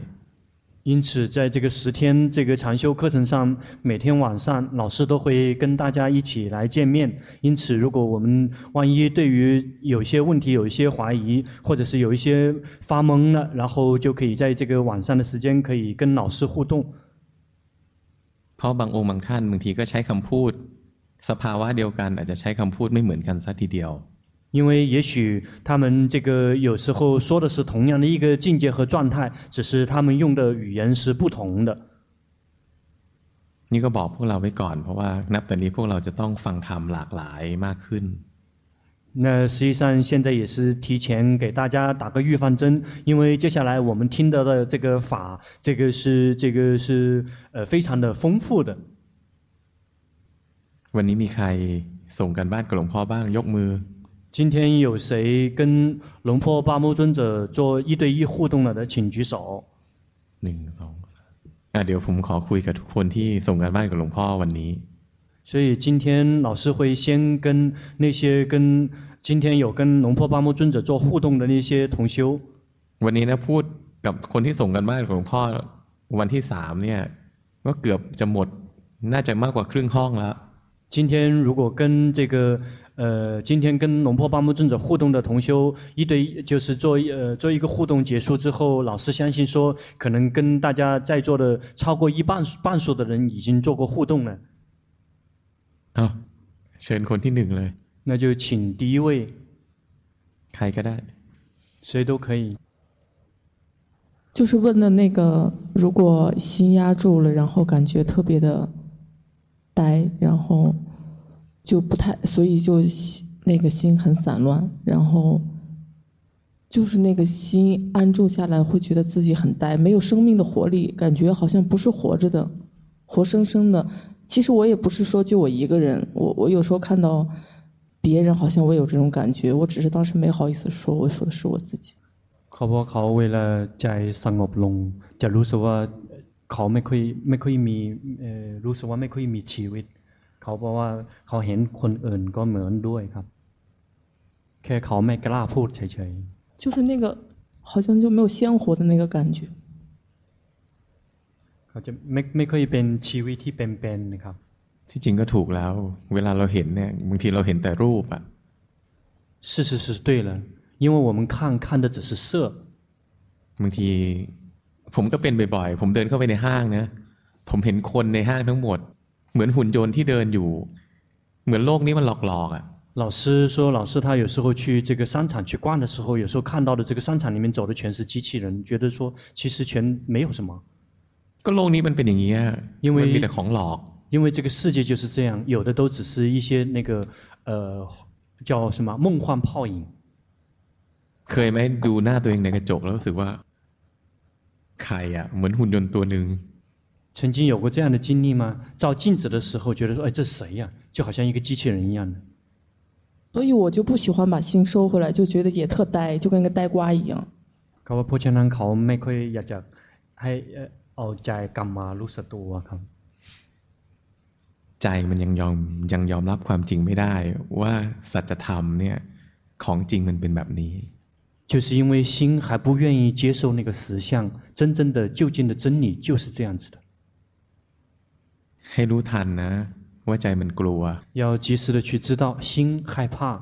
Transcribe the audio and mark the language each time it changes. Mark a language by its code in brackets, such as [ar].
[zh] 因此在这个十天这个禅修课程上每天晚上老师都会跟大家一起来见面因此如果我们万一对于有些问题有一些怀疑或者是有一些发懵了然后就可以在这个晚上的时间可以跟老师互动 [th] เพราะบางองค์บางท่านบางทีก็ใช้คำพูดสภาวะเดียวกันอาจจะใช้คำพูดไม่เหมือนกันซะทีเดียว [zh] 因为也许他们这个有时候说的是同样的一个境界和状态只是他们用的语言是不同的 [th] นี่ก็บอกพวกเราไว้ก่อนเพราะว่านับแต่นี้พวกเราจะต้องฟังธรรมหลากหลายมากขึ้น [zh] 那实际上现在也是提前给大家打个预防针因为接下来我们听到的这个法这个是非常的丰富的 [th] วันนี้มีใครส่งกันบ้านกับหลวงพ่อบ้างยกมือ [zh] 今天有谁跟龙婆巴木尊者做一对一互动了的请举手 [th] หนึ่งสองเดี๋ยวผมขอคุยกับทุกคนที่ส่งกันบ้านกับหลวงพ่อวันนี้ [zh] 所以今天老师会先跟那些跟今天有跟龙婆巴木尊者做互动的那些同修 [th] วันนี้นะพูดกับคนที่ส่งกันบ้านของหลวงพ่อวันที่สามเนี่ยก็เกือบจะหมดน่าจะมากกว่าครึ่งห้องแล้ว [zh] 今天如果跟这个今天跟龙婆巴木尊者互动的同修一对就是做一个互动结束之后老师相信说可能跟大家在座的超过半数的人已经做过互动了好 [th] เชิญคนที่หนึ่งเลย [zh] 那就请第一位 [th] ใครก็ได้ [zh] 谁都可以就是问的那个如果心压住了然后感觉特别的呆然后就不太所以就那个心很散乱然后就是那个心安住下来会觉得自己很呆没有生命的活力感觉好像不是活着的活生生的其实我也不是说就我一个人我有时候看到别人好像我有这种感觉我只是当时没好意思说我说的是我自己 [th] เพราะเขาเวลาใจสงบลงจะรู้สึกว่าเขาไม่ค่อยมีรู้สึกว่าไม่ค่อยมีชีวิตเขาเพราะว่าเขาเห็นคนอื่นก็เหมือนด้วยครับแค่เขาไม่กล้าพูดเฉย [zh] ๆ就是那个好像就没有鲜活的那个感觉 [th] เขาจะไม่ค่อยเป็นชีวิตที่เป็นๆนะครับ ที่จริงก็ถูกแล้วเวลาเราเห็นเนี่ยบางทีเราเห็นแต่รูปอ่ะ [zh] 是对了因为我们看的只是色 [th] บางทีผมก็เป็นบ่อยๆผมเดินเข้าไปในห้างนะผมเห็นคนในห้างทั้งหมดเหมือนหุ่นยนต์ที่เดินอยู่เหมือนโลกนี้มันหลอกๆอ่ะ [zh] 老师说老师他有时候去这个商场去逛的时候有时候看到的这个商场里面走的全是机器人觉得说其实全没有什么 [th] ก็โลกนี้มันเป็นอย่างนี้มันมีแต่ของหลอก [zh] 因为这个世界就是这样有的都只是一些那个叫什么梦幻泡影 [th] เคยไหมดูหน้าตัวเองในกระจกแล้วรู้สึกว่าใครอ่ะเหมือนหุ่นยนต์ตัวนึง [zh] 曾经有过这样的经历吗照镜子的时候觉得说哎这谁呀就好像一个机器人一样的所以我就不喜欢把心收回来就觉得也特呆就跟个呆瓜一样 [th] เขาว่าผู้ชายนั้นเขาไม่ค่อยอยากจะให้เอาใจกลับมารู้สึกตัวครับ ใจมันยังยอมรับความจริงไม่ได้ว่าสัจธรรมเนี่ยของจริงมันเป็นแบบนี้ [zh] 就是因为心还不愿意接受那个实相真正的究竟的真理就是这样子的 [th] ให้รู้ทันนะว่าใจมันกลัว [zh] 要及时的去知道心害怕